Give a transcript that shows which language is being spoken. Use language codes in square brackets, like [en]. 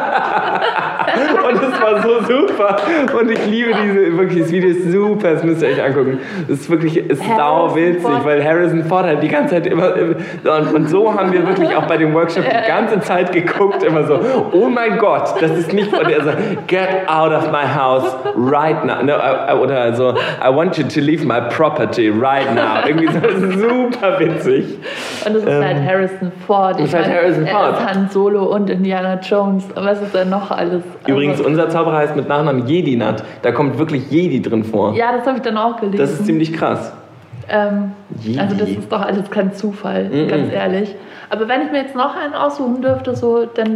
[de] Und es war so super. Und ich liebe diese, wirklich, das Video ist super, das müsst ihr euch angucken. Es ist wirklich, ist sau witzig, weil Harrison Ford halt die ganze Zeit immer, und so haben wir wirklich auch bei dem Workshop die ganze Zeit geguckt, immer so, oh mein Gott, das ist nicht von der, so, [en] get out of my house, right now. No, [de] oder so, [en] I want you to leave my property, right now. [de] Irgendwie so, super witzig. Und es ist halt Harrison Ford. Ford. Han Solo und Indiana Jones. Was ist denn noch alles? Übrigens, unser Zauberer heißt mit Nachnamen Jedinat. Da kommt wirklich Jedi drin vor. Ja, das habe ich dann auch gelesen. Das ist ziemlich krass. Jedi. Also das ist doch alles kein Zufall, ganz ehrlich. Aber wenn ich mir jetzt noch einen aussuchen dürfte, so, dann...